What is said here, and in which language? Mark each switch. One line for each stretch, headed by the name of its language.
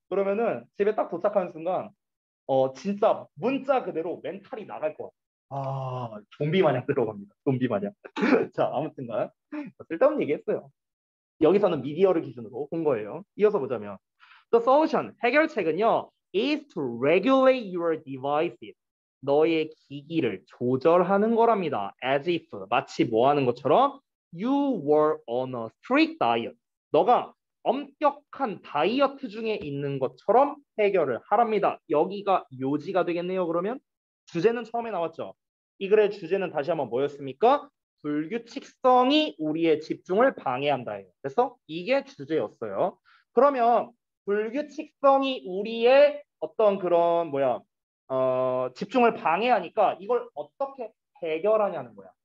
Korean: 그러면은 집에 딱 도착하는 순간 진짜 문자 그대로 멘탈이 나갈 것 같아요. 아, 좀비 마냥 들어갑니다. 좀비 마냥. 자, 아무튼간 쓸데없는 얘기했어요. 여기서는 미디어를 기준으로 본 거예요. 이어서 보자면
English: The solution,
Korean: 해결책은요.
English: is to regulate your devices.
Korean: 너의 기기를 조절하는 거랍니다.
English: As if,
Korean: 마치 뭐 하는 것처럼
English: You were on a strict diet.
Korean: 너가 엄격한 다이어트 중에 있는 것처럼 해결을 하랍니다. 여기가 요지가 되겠네요. 그러면 주제는 처음에 나왔죠. 이 글의 주제는 다시 한번 뭐였습니까? 불규칙성이 우리의 집중을 방해한다. 그래서 이게 주제였어요. 그러면 불규칙성이 우리의 어떤 그런 뭐야 집중을 방해하니까 이걸 어떻게 해결하냐는 거야.